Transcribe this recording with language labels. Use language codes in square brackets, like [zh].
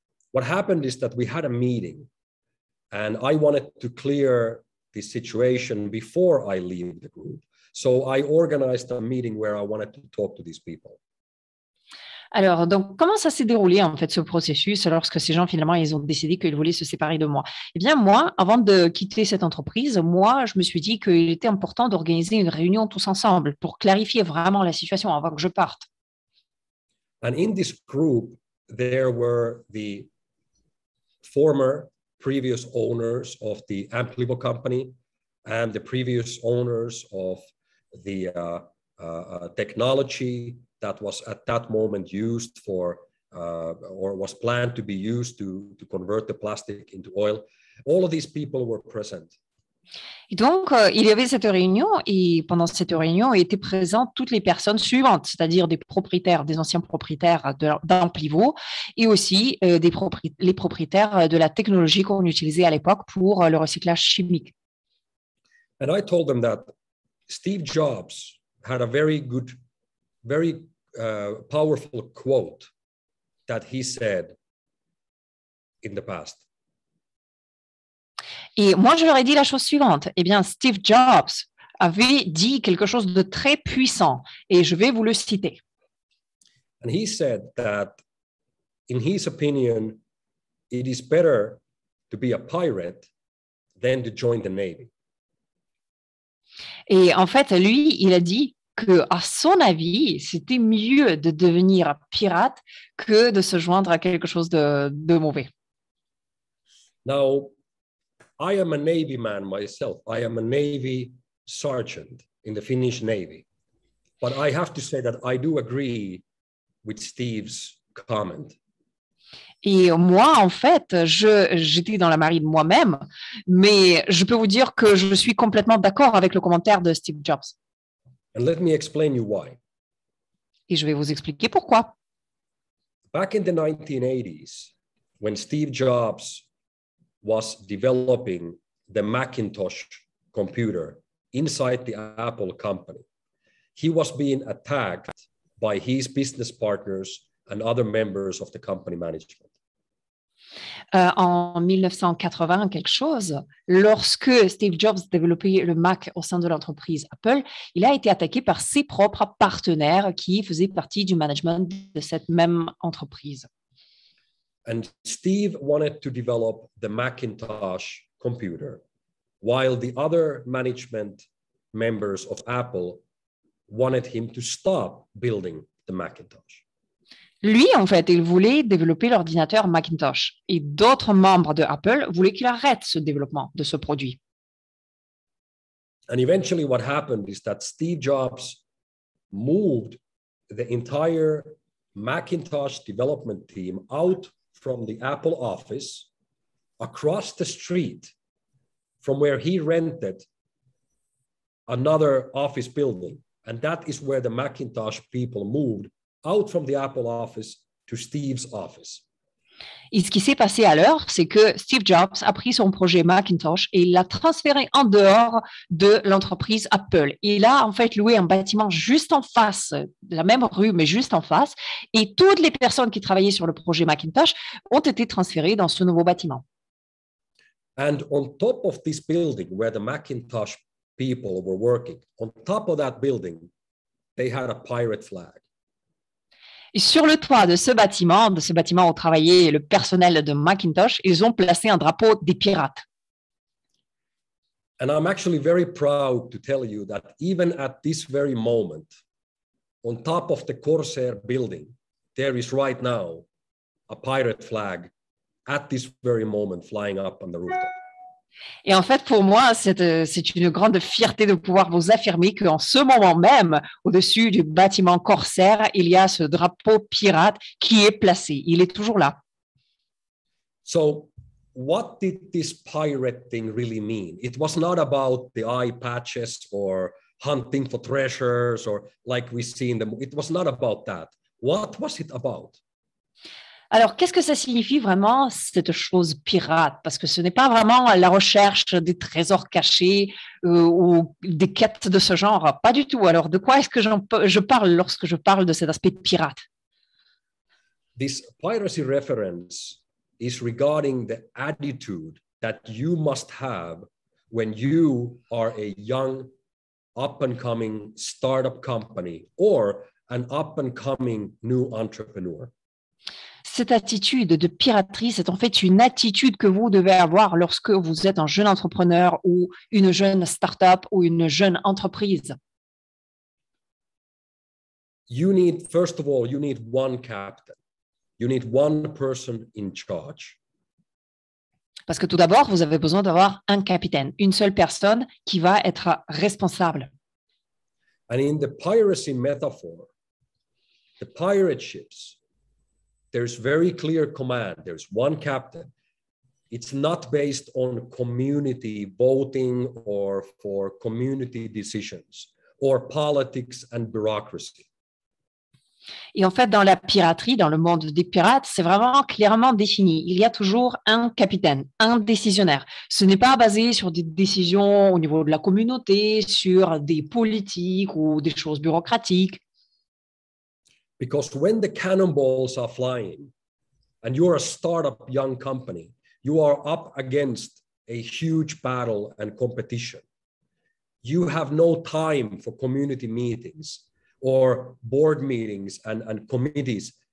[en] What happened is that we had a meeting and I wanted to clear the situation before I leave the group. So I organized a meeting where I wanted to talk to these people. [fr] Alors, donc, comment ça s'est déroulé, en fait, ce processus, lorsque ces gens, finalement, ils ont décidé qu'ils voulaient se séparer de moi? Eh bien, moi, avant de quitter cette entreprise, moi, je me suis dit qu'il était important d'organiser une réunion tous ensemble pour clarifier vraiment la situation avant que je parte. [en] And in this group, there were the former previous owners of the Amplibo company and the previous owners of the technology that was at that moment used for or was planned to be used to convert the plastic into oil. All of these people were present. [fr] Et donc, il y avait cette réunion et pendant cette réunion étaient présentes toutes les personnes suivantes, c'est-à-dire des propriétaires, des anciens propriétaires d'Amplivo et aussi les propriétaires de la technologie qu'on utilisait à l'époque pour le recyclage chimique. [en] And I told them that Steve Jobs had a very good, very powerful quote that he said in the past. [fr] Et moi, je leur ai dit la chose suivante. Eh bien, Steve Jobs avait dit quelque chose de très puissant et je vais vous le citer. [en] And he said that, in his opinion, it is better to be a pirate than to join the Navy. [fr] Et en fait, lui, il a dit qu'à son avis, c'était mieux de devenir pirate que de se joindre à quelque chose de mauvais. [en] Now, I am a Navy man myself. I am a Navy sergeant in the Finnish Navy. But I have to say that I do agree with Steve's comment. [fr] Et moi, en fait, j'étais dans la marine moi-même, mais je peux vous dire que je suis complètement d'accord avec le commentaire de Steve Jobs. [en] And let me explain you why. [fr] Et je vais vous expliquer pourquoi. [en] Back in the 1980s, when Steve Jobs was developing the Macintosh computer inside the Apple company, he was being attacked by his business partners and other members of the company management. [fr] En 1980, quelque chose, lorsque Steve Jobs développait le Mac au sein de l'entreprise Apple, il a été attaqué par ses propres partenaires qui faisaient partie du management de cette même entreprise. [en] And Steve wanted to develop the Macintosh computer, while the other management members of Apple wanted him to stop building the Macintosh. [fr] Lui, en fait, il voulait développer l'ordinateur Macintosh et d'autres membres de Apple voulaient qu'il arrête ce développement de ce produit. [en] And eventually what happened is that Steve Jobs moved the entire Macintosh development team out from the Apple office across the street from where he rented another office building. And that is where the Macintosh people moved out from the Apple office to Steve's office. [fr] Et ce qui s'est passé alors, c'est que Steve Jobs a pris son projet Macintosh et il l'a transféré en dehors de l'entreprise Apple. Il a en fait loué un bâtiment juste en face, la même rue, mais juste en face, et toutes les personnes qui travaillaient sur le projet Macintosh ont été transférées dans ce nouveau bâtiment. [en] And on top of this building where the Macintosh people were working, on top of that building, they had a pirate flag. [fr] Et sur le toit de ce bâtiment où travaillait le personnel de Macintosh, ils ont placé un drapeau des pirates. [en] And I'm actually very proud to tell you that even at this very moment, on top of the Corsair building, there is right now a pirate flag at this very moment flying up on the rooftop. [fr] Et en fait, pour moi, c'est une grande fierté de pouvoir vous affirmer qu'en ce moment même, au-dessus du bâtiment Corsair, il y a ce drapeau pirate qui est placé. Il est toujours là. [en] So, what did this pirate thing really mean? It was not about the eye patches or hunting for treasures or like we see in the movie. It was not about that. What was it about? [fr] Alors, qu'est-ce que ça signifie vraiment, cette chose pirate? Parce que ce n'est pas vraiment la recherche des trésors cachés ou des quêtes de ce genre, pas du tout. Alors, de quoi est-ce que je parle lorsque je parle de cet aspect pirate? [en] This piracy reference is regarding the attitude that you must have when you are a young, up-and-coming startup company or an up-and-coming new entrepreneur. [fr] Cette attitude de piratrice est en fait une attitude que vous devez avoir lorsque vous êtes un jeune entrepreneur ou une jeune start-up ou une jeune entreprise. [en] You need, first of all, you need one captain. You need one person in charge. [fr] Parce que tout d'abord, vous avez besoin d'avoir un capitaine, une seule personne qui va être responsable. [en] And in the piracy metaphor, the pirate ships, there's very clear command. There's one captain. It's not based on community voting or for community decisions or politics and bureaucracy. [fr] Et en fait, dans la piraterie, dans le monde des pirates, c'est vraiment clairement défini. Il y a toujours un capitaine, un décisionnaire. Ce n'est pas basé sur des décisions au niveau de la communauté, sur des politiques ou des choses bureaucratiques. [en] Because when the cannonballs are flying and you're a startup young company, you are up against a huge battle and competition. You have no time for community meetings or board meetings and committees.